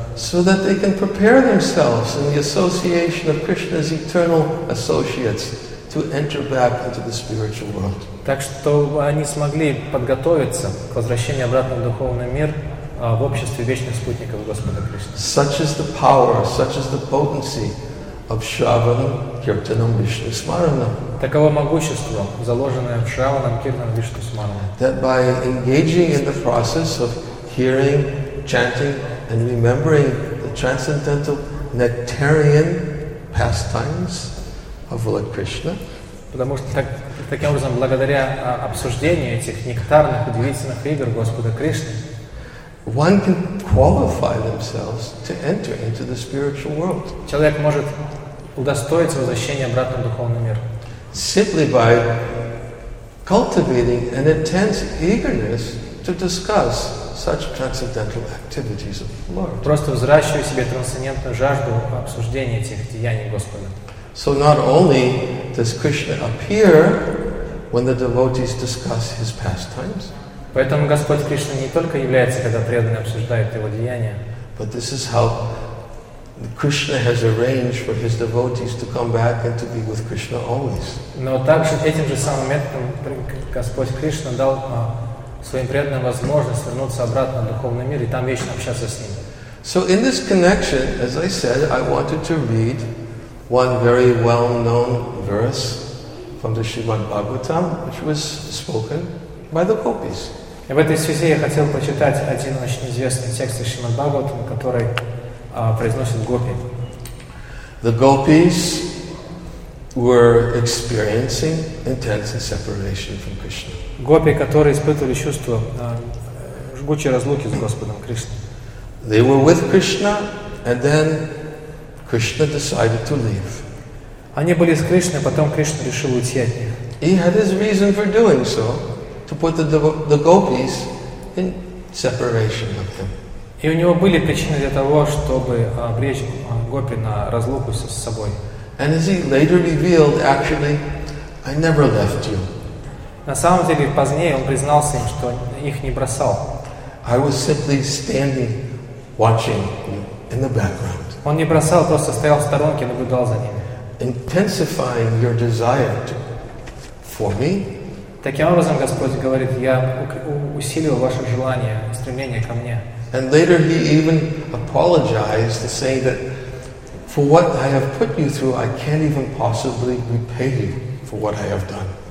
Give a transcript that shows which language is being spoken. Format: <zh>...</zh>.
<en>So that they can prepare themselves in the association of Krishna's eternal associates to enter back into the spiritual world.</en> <ru>Так что они смогли подготовиться к возвращению обратно в духовный мир в обществе вечных спутников Господа Кришны.</ru> <en>Such is the power, such is the potency of Shravanam, Kirtanam, Vishnu, Smaranam.</en> <ru>Таково могущество, заложенное в Шраванам, Киртанам, Вишну, Смаранам.</ru> <en>That by engaging in the process of hearing, chanting, and remembering the transcendental nectarian pastimes of Lord Krishna.</en> <ru>Потому что таким образом, благодаря обсуждению этих нектарных, удивительных игр Господа Кришны,</ru> <en>one can qualify themselves to enter into the spiritual world.</en> <ru>Человек может удостоиться возвращения обратно в духовный мир.</ru> <en>Simply by cultivating an intense eagerness to discuss such transcendental activities of the Lord.</en> <ru>Просто взращивая в себе трансцендентную жажду обсуждения этих деяний Господа.</ru> <en>So not only does Krishna appear when the devotees discuss his pastimes,</en> <ru>поэтому Господь Кришна не только является, когда преданные обсуждают его деяния.</ru> <en>But this is how Krishna has arranged for his devotees to come back and to be with Krishna always.</en> <ru>Но также этим же самым методом Господь Кришна дал своим преданным возможность вернуться обратно в духовный мир и там вечно общаться с ним.</ru> <en>So in this connection, as I said, I wanted to read one very well-known verse from the Srimad Bhagavatam, which was spoken by the gopis.</en> <ru>И в этой связи я хотел почитать один очень известный текст из Шримад-Бхагаватам, который произносит гопи.</ru> <en>The gopis were experiencing intense separation from Krishna.</en> <ru>Гопи, которые испытывали чувство жгучей разлуки с Господом Кришной.</ru> <en>They were with Krishna, and then Krishna decided to leave.</en> <ru>Они были с Кришной, потом Кришна решил уйти от них.</ru> <en>He had his reason for doing so, to put the gopis in separation of him.</en> <ru>И у него были причины для того, чтобы обречь гопи на разлуку с собой.</ru> <en>And as he later revealed, actually, I never left you.</en> <ru>На самом деле, позднее он признался им, что их не бросал.</ru> <en>I was simply standing, watching you in the background.</en> <ru>Он не бросал, просто стоял в сторонке, наблюдал за ними.</ru> <en>Intensifying your desire to, for me.</en> <ru>Таким образом, Господь говорит, я усиливаю ваше желание, стремление ко мне.</ru> <en>And later he even apologized to say that for what I have put you through, I can't even possibly repay you for what I have done.</en>